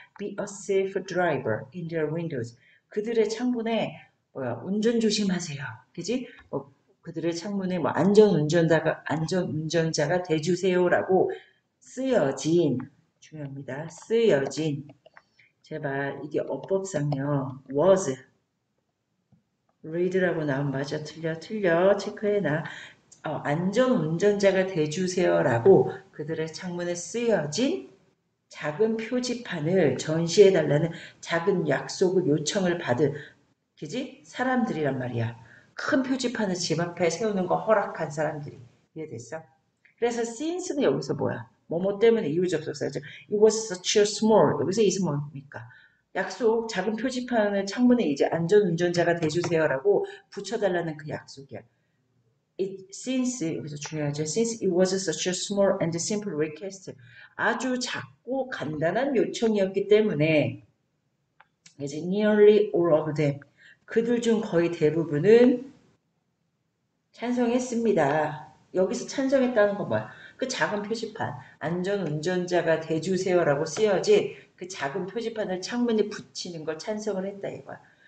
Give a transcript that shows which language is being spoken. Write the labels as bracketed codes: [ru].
[en] Be a safe driver in their windows. [ko] 그들의 창문에, 뭐야, 운전 조심하세요. 그지? 뭐, 그들의 창문에 뭐 안전 운전자가 돼주세요라고 쓰여진, 중요합니다. 쓰여진. 제발, 이게 어법상요. was. read라고 나온 맞아? 틀려? 틀려? 체크해놔. 안전운전자가 돼주세요라고 그들의 창문에 쓰여진 작은 표지판을 전시해달라는 작은 약속을 요청을 받은, 그지? 사람들이란 말이야. 큰 표지판을 집 앞에 세우는 거 허락한 사람들이. 이해됐어? 그래서 since는 여기서 뭐야? 뭐뭐 때문에 이유적 접속사죠. [en] It was such a small. [ko] 여기서 is 뭡니까? 약속, 작은 표지판을 창문에 이제 안전운전자가 돼주세요라고 붙여달라는 그 약속이야. Since, 여기서 중요하죠. [en] Since it was such a small and simple request. [ko] 아주 작고 간단한 요청이었기 때문에, [en] is nearly all of them. [ko] 그들 중 거의 대부분은 찬성했습니다. 여기서 찬성했다는 건 뭐야? 그 작은 표지판, 안전운전자가 대주세요라고 쓰여진 그 작은 표지판을 창문에 붙이는 걸 찬성을 했다 이거야.